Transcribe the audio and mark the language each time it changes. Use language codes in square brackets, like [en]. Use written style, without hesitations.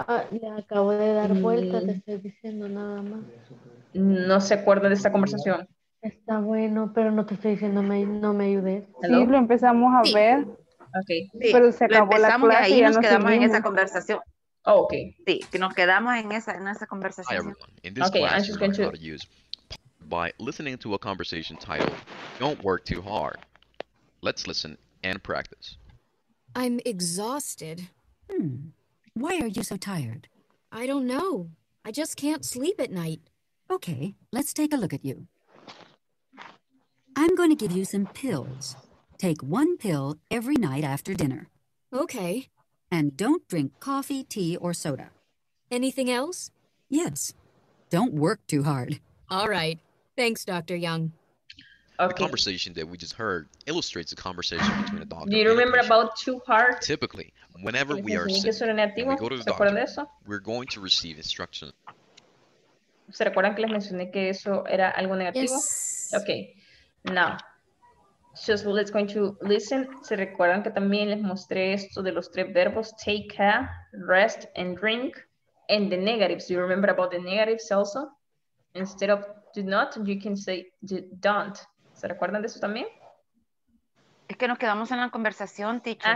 [es] Le acabo de dar vuelta, te estoy diciendo nada más. No se acuerda de esta conversación. Está bueno, pero no te estoy diciendo, no me ayudé. Sí, lo empezamos a ver. Okay. Sí, pero se acabó la clase y ahí y nos quedamos en esa conversación. [en] Oh, okay. [es] Sí, que nos quedamos en esa conversación. [en] Hi everyone. In this okay, class, you learn how to use by listening to a conversation titled "Don't Work Too Hard." Let's listen and practice. I'm exhausted. Why are you so tired? I don't know. I just can't sleep at night. Okay, let's take a look at you. I'm going to give you some pills. Take one pill every night after dinner. Okay. And don't drink coffee, tea, or soda. Anything else? Yes. Don't work too hard. All right. Thanks, Dr. Young. Okay. The conversation that we just heard illustrates a conversation between a doctor. Do you remember about too hard? Typically, whenever we are sick, we go to the doctor, we're going to receive instructions. [es] ¿Se recuerdan que les mencioné que eso era algo negativo? [en] Yes. Okay. Now, just let's going to listen. [es] ¿Se recuerdan que también les mostré esto de los tres verbos? [en] Take care, rest, and drink. And the negatives. Do you remember about the negatives also? Instead of do not, you can say don't. [es] ¿Se recuerdan de eso también? Es que nos quedamos en la conversación, teacher.